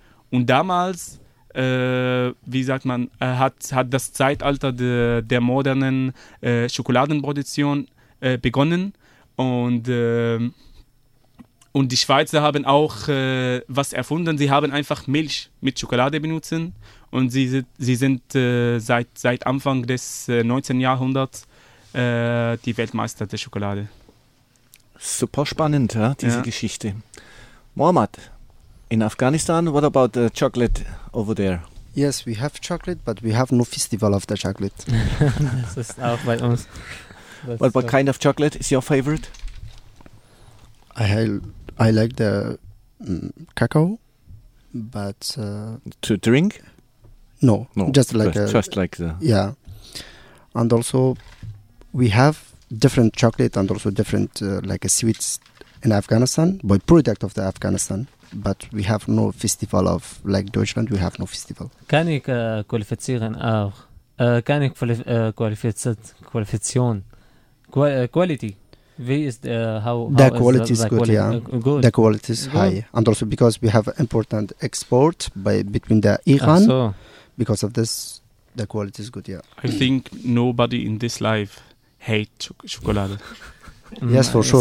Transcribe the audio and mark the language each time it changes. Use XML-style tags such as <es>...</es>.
<de>Und damals, hat das Zeitalter der modernen Schokoladenproduktion begonnen und die Schweizer haben auch was erfunden. Sie haben einfach Milch mit Schokolade benutzt und sie sind seit Anfang des 19. Jahrhunderts die Weltmeister der Schokolade. Super spannend, ja, diese Geschichte.</de> <en>Mohammed, in Afghanistan, what about the chocolate over there? Yes, we have chocolate, but we have no festival of the chocolate.</en> <de>Das ist auch bei uns.</de> <en>What kind of chocolate is your favorite? I like the cacao, but... To drink? No. Just like the... Yeah. And also, we have different chocolate and also different sweets in Afghanistan, but product of the Afghanistan. But we have no festival of, like Deutschland, we have no festival.</en> <de>Kann ich qualifizieren auch? Kann ich qualifizieren?</de> <en>Quality?</en> <de>Wie ist</de> <en>how the quality is good, good. The quality is high. And also because we have important export between the Iran. So. Because of this, the quality is good, yeah. I think nobody in this life hates chocolate. Yes, for sure.</en>